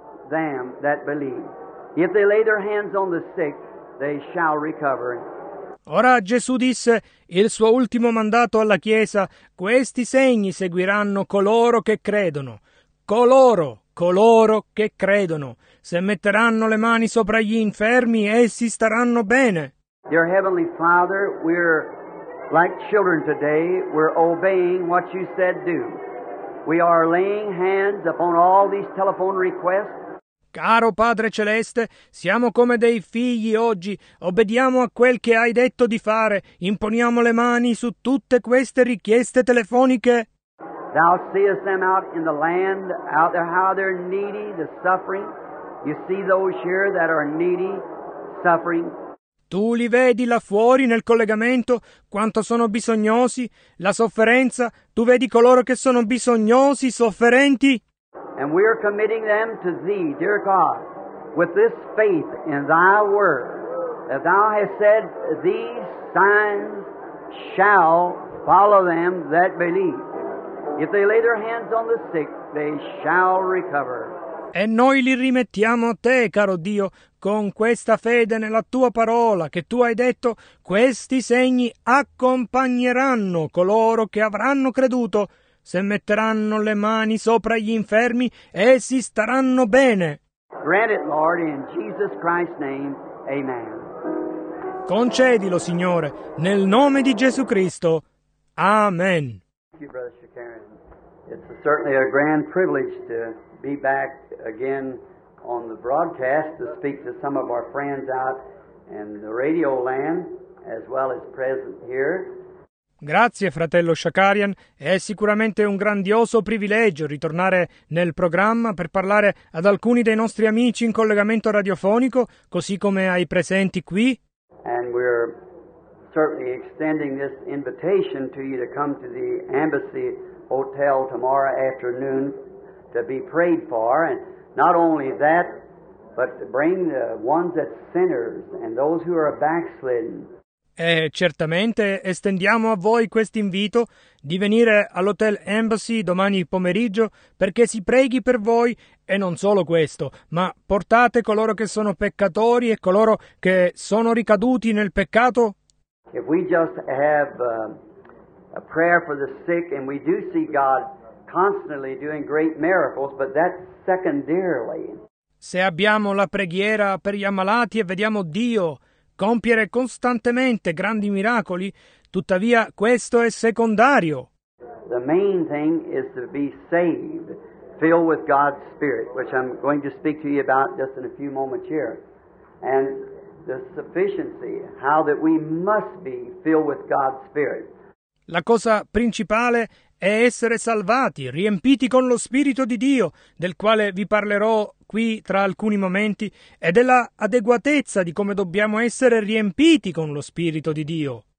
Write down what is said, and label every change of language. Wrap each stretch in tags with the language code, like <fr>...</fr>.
<en>Them that believe. If they lay their hands on the sick, they shall recover.</en> <it>Ora Gesù disse, il suo ultimo mandato alla Chiesa, questi segni seguiranno coloro che credono. Coloro che credono. Se metteranno le mani sopra gli infermi, essi staranno bene.</it> <en>Dear Heavenly Father, we're like children today, we're obeying what you said do. We are laying hands upon all these telephone requests.</en> <it>Caro Padre Celeste, siamo come dei figli oggi, obbediamo a quel che hai detto di fare, imponiamo le mani su tutte queste richieste telefoniche.</it> <en>Thou seest them out in the land, out there how they're needy, the suffering. You see those here that are needy, suffering.</en> <it>Tu li vedi là fuori nel collegamento quanto sono bisognosi, la sofferenza, tu vedi coloro che sono bisognosi, sofferenti.</it> <en>And we are committing them to thee, dear God, with this faith in thy word, that thou hast said, these signs shall follow them that believe. If they lay their hands on the sick, they shall recover.</en> <it>E noi li rimettiamo a te, caro Dio, con questa fede nella tua parola che tu hai detto, questi segni accompagneranno coloro che avranno creduto, se metteranno le mani sopra gli infermi, essi staranno bene.</it> <en>Grant it, Lord, in Jesus Christ's name, amen.</en> <it>Concedilo, Signore, nel nome di Gesù Cristo, amen.</it> <en>Thank you, Brother Shakarian. It's certainly a grand privilege to be back again on the broadcast to speak to some of our friends out in the radio land as well as present here.</en> <it>Grazie fratello Shakarian, è sicuramente un grandioso privilegio ritornare nel programma per parlare ad alcuni dei nostri amici in collegamento radiofonico, così come ai presenti qui.</it> <en>And we're certainly extending this invitation to you to come to the Embassy Hotel tomorrow afternoon to be prayed for, and not only that, but to bring the ones that sinners and those who are backslidden.</en> <it>E certamente estendiamo a voi questo invito di venire all'Hotel Embassy domani pomeriggio perché si preghi per voi e non solo questo, ma portate coloro che sono peccatori e coloro che sono ricaduti nel peccato.</it> <en>If we just have a prayer for the sick and we do see God constantly doing great miracles, but that's secondarily.</en> <it>Se abbiamo la preghiera per gli ammalati e vediamo Dio compiere costantemente grandi miracoli, tuttavia questo è secondario.</it> <en>The main thing is to be saved, filled with God's Spirit, which I'm going to speak to you about just in a few moments here. And the sufficiency, how that we must be filled with God's Spirit.</en> <it>La cosa principale è essere salvati, riempiti con lo Spirito di Dio, del quale vi parlerò qui tra alcuni momenti, e della adeguatezza di come dobbiamo essere riempiti con lo Spirito di Dio.</it>